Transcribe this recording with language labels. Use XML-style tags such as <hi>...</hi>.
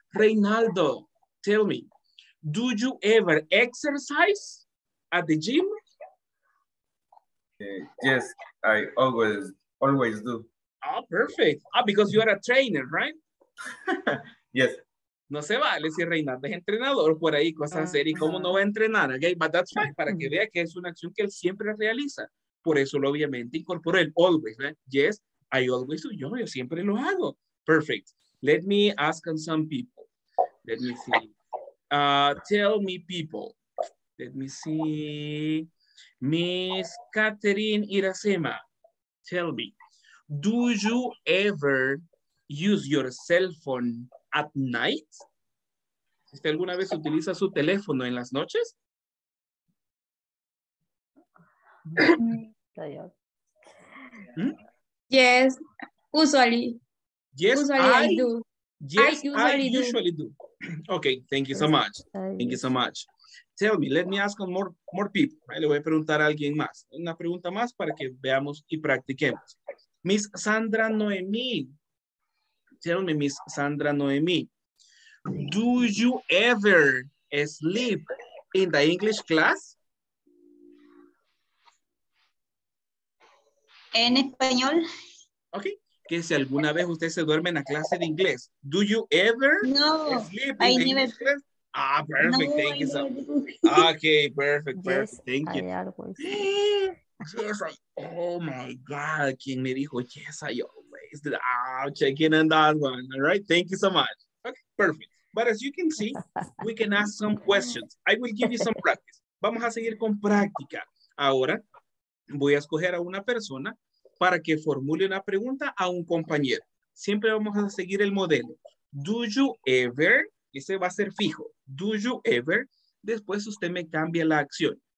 <en>Reinaldo, tell me, do you ever exercise at the gym? Yes, I always do. Oh, perfect. Ah, because you are a trainer, right? Yes.</en> <es>No se vale si Reinaldo es entrenador por ahí, cosas hacer, y cómo no va a entrenar, okay?</es> <en>But that's fine,</en> <es>para que vea que es una acción que él siempre realiza. Por eso lo obviamente incorporó el always, right?</es> <en>Yes, I always do,</en> <es>yo siempre lo hago.</es> <en>Perfect. Let me ask on some people. Let me see. Tell me people. Let me see. Miss Catherine Iracema, tell me, do you ever use your cell phone at night?</en> <es>¿Usted alguna vez utiliza su teléfono en las noches?</es> <en>Yes, usually. Yes, usually I do. Okay, thank you so much. Thank you so much. Tell me, let me ask on more people.</en> <es>Le voy a preguntar a alguien más. Una pregunta más para que veamos y practiquemos.</es> <en>Miss Sandra Noemí. Tell me, Miss Sandra Noemí. Do you ever sleep in the English class?</en> <es>En español.</es> <en>Ok.</en> <es>Que si alguna vez usted se duerme en la clase de inglés.</es> <en>Do you ever sleep in the English class? Ah, perfect. Thank you. Okay, perfect. Thank you. Yes, oh my God.</en> <es>¿Quién me dijo?</es> <en>Yes, I always did. Ah, checking on that one. All right. Thank you so much. Okay, perfect. But as you can see, we can ask some questions. I will give you some practice.</en> <es>Vamos a seguir con práctica. Ahora voy a escoger a una persona para que formule una pregunta a un compañero. Siempre vamos a seguir el modelo.</es> <en>Do you ever?</en> <es>Ese va a ser fijo.</es> <en>Do you ever?</en> <es>Después usted me cambia la acción.</es>